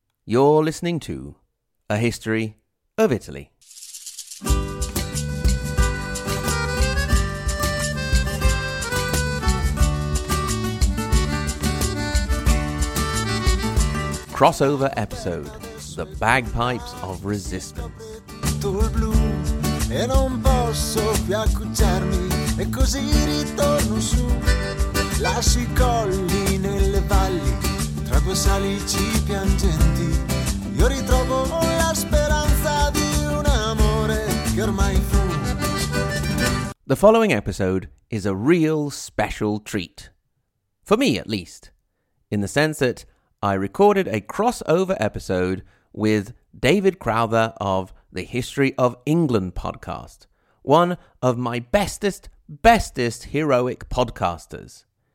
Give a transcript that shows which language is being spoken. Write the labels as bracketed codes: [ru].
[en] You're listening to A History of Italy. Crossover episode, The Bagpipes of Resistance. [it] Tutto il blu e non posso più accucciarmi e così ritorno su. Lascio I colli nelle valli tra due salici piangenti. Io ritrovo la speranza di un amore che ormai fu. [en] The following episode is a real special treat. For me, at least. In the sense that I recorded a crossover episode with David Crowther of the History of England podcast, one of my bestest, bestest heroic podcasters.